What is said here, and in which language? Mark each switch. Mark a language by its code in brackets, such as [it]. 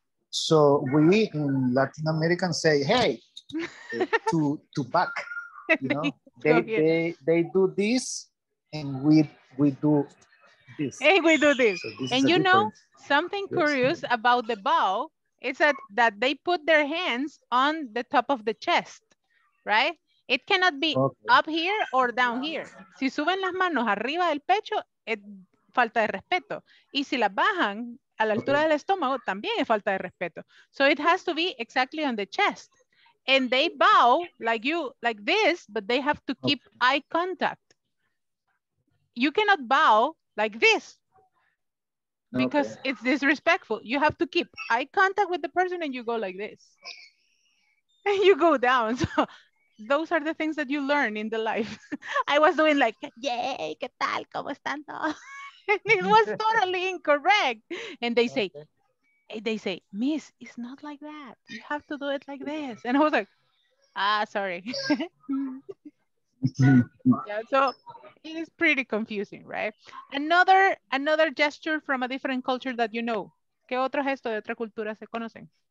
[en] So we in Latin American say, hey, to back, you know, they do this and we do this. And we do this. So this and you know, difference. Something curious yes. about the bow is that they put their hands on the top of the chest, right? It cannot be okay. up here or down here. [es] Si suben las manos arriba del pecho, es falta de respeto. Y si las bajan, a la altura del estómago, también es falta de respeto. [en] So it has to be exactly on the chest. And they bow like you, like this, but they have to keep eye contact. You cannot bow like this because it's disrespectful. You have to keep eye contact with the person and you go like this. And you go down. So those are the things that you learn in the life. I was doing like, yay, [es] ¿qué tal? ¿Cómo están todos? [en] It was totally incorrect. And they say, Miss, it's not like that. You have to do it like this. And I was like, sorry. Yeah, so it is pretty confusing, right? Another gesture from a different culture that you know. [es] ¿Qué otro gesto de otra cultura se conocen?